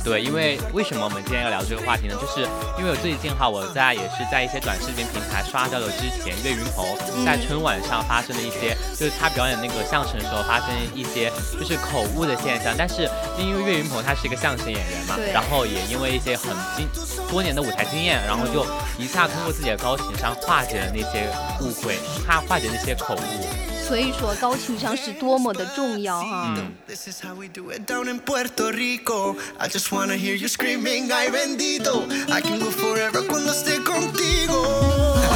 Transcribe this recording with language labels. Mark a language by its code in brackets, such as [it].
[zh] 对，因为为什么我们今天要聊这个话题呢？就是因为我最近哈，我在也是在一些短视频平台刷到了之前岳云鹏在春晚上发生的一些、就是他表演那个相声的时候发生一些就是口误的现象。但是因为岳云鹏他是一个相声演员嘛，然后也因为一些多年的舞台经验，然后就一下通过自己的高情商化解了那些误会，他化解那些口误。所以说高情商是多么的重要哈、 [en] This is how we do it down in Puerto Rico. I just wanna hear you screaming, [es] ay bendito. [en] I can go forever [es] cuando esté contigo.